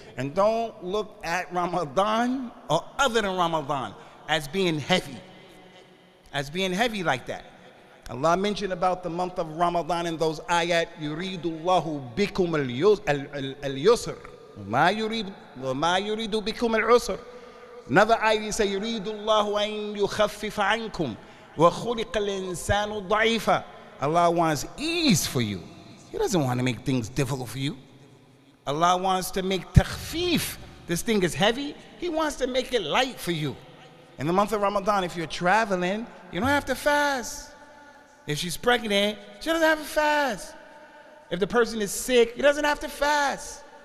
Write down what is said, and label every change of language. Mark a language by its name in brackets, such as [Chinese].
[English] And don't look at Ramadan or other than Ramadan as being heavy. As being heavy like that. Allah mentioned about the month of Ramadan in those ayat, [Arabic] يُرِيدُ اللَّهُ بِكُمُ الْيُسْرُ وَمَا يُرِيدُ بِكُمُ الْعُسْرُ. [English] Another ayat, he said, [Arabic] يُرِيدُ اللَّهُ أَن يُخَفِّفَ عَنْكُمْ وَخُلِقَ الْإِنسَانُ ضَعِيفًا. [English] Allah wants ease for you. He doesn't want to make things difficult for you. Allah wants to make takhfif. This thing is heavy. He wants to make it light for you. In the month of Ramadan, if you're traveling, you don't have to fast. If she's pregnant, she doesn't have to fast. If the person is sick, he doesn't have to fast.